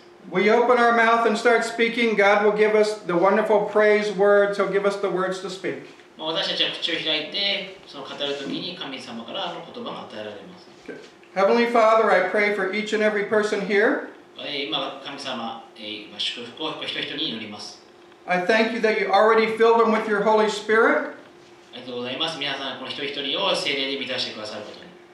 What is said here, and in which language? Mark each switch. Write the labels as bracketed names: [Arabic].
[English] We open our mouth and start speaking. God will give us the wonderful praise words. He'll give us the words to speak. [Japanese] 私たちは口を開いてその語るときに神様からの言葉が与えられます。 [English] Heavenly Father, I pray for each and every person here. [Japanese] 今神様、祝福を一人一人に祈ります。 [English] I thank you that you already filled them with your Holy Spirit. [Japanese] ありがとうございます。皆さん、この一人一人を聖霊で満たしてくださることに。